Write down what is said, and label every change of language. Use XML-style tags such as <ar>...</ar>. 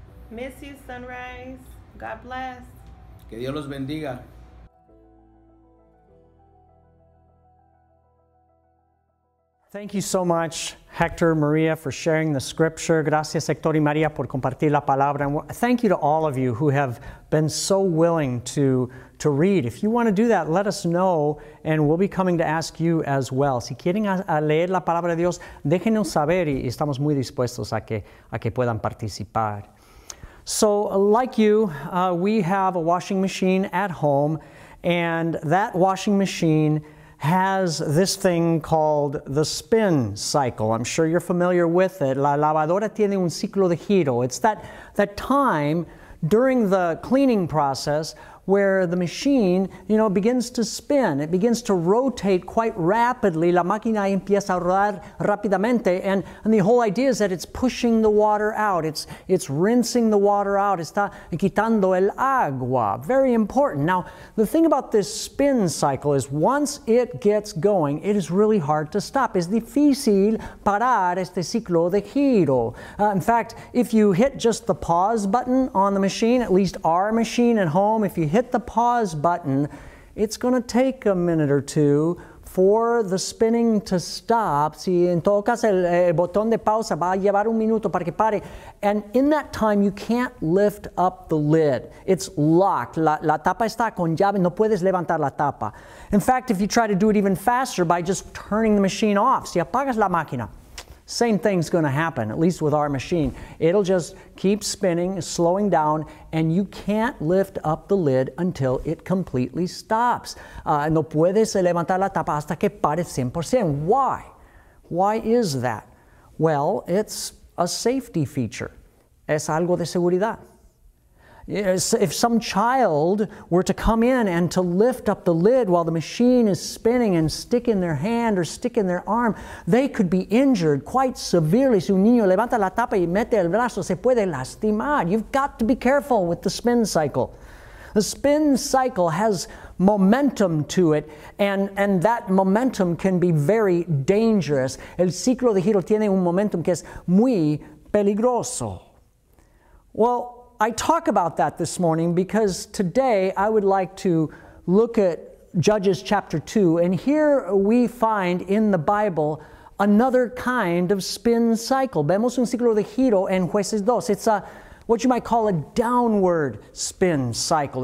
<en>Miss you, Sunrise. God bless.</en> <es>Que Dios los bendiga.</es> <en>Thank you so much, Hector, Maria, for sharing the scripture.</en> <es>Gracias, Hector y Maria, por compartir la palabra.</es> <en>And thank you to all of you who have been so willing to read. If you want to do that, let us know, and we'll be coming to ask you as well.</en> <es>Si quieren a leer la palabra de Dios, déjenos saber y estamos muy dispuestos a que puedan participar.</es> <en>So, like you, we have a washing machine at home, and that washing machine has this thing called the spin cycle. I'm sure you're familiar with it.</en> <es>La lavadora tiene un ciclo de giro.</es> <en>It's that time during the cleaning process where the machine, you know, begins to spin. It begins to rotate quite rapidly.</en> <es>La máquina empieza a rodar rápidamente.</es> <en>And the whole idea is that it's pushing the water out. It's rinsing the water out.</en> <es>Está quitando el agua.</es> <en>Very important. Now, the thing about this spin cycle is once it gets going, it is really hard to stop.</en> <es>Es difícil parar este ciclo de giro.</es> <en>In fact, if you hit just the pause button on the machine, at least our machine at home, if you hit the pause button, it's going to take a minute or two for the spinning to stop.</en> <es>Si en todo caso el botón de pausa va a llevar un minuto para que pare.</es> <en>And in that time, you can't lift up the lid. It's locked.</en> <es>La tapa está con llave. No puedes levantar la tapa.</es> <en>In fact, if you try to do it even faster by just turning the machine off,</en> <es>si apagas la máquina,</es> <en>same thing's going to happen, at least with our machine. It'll just keep spinning, slowing down, and you can't lift up the lid until it completely stops.</en> <es>No puedes levantar la tapa hasta que pare 100%.</es> <en>Why? Why is that? Well, it's a safety feature.</en> <es>Es algo de seguridad.</es> <en>If some child were to come in and to lift up the lid while the machine is spinning and stick in their hand or stick in their arm, they could be injured quite severely.</en> <es>Si un niño levanta la tapa y mete el brazo, se puede lastimar.</es> <en>You've got to be careful with the spin cycle. The spin cycle has momentum to it, and that momentum can be very dangerous.</en> <es>El ciclo de giro tiene un momentum que es muy peligroso.</es> <en>Well, I talk about that this morning because today I would like to look at Judges chapter 2, and here we find in the Bible another kind of spin cycle.</en> <es>Vemos un ciclo de giro en Jueces 2.</es> <en>It's a what you might call a downward spin cycle.</en>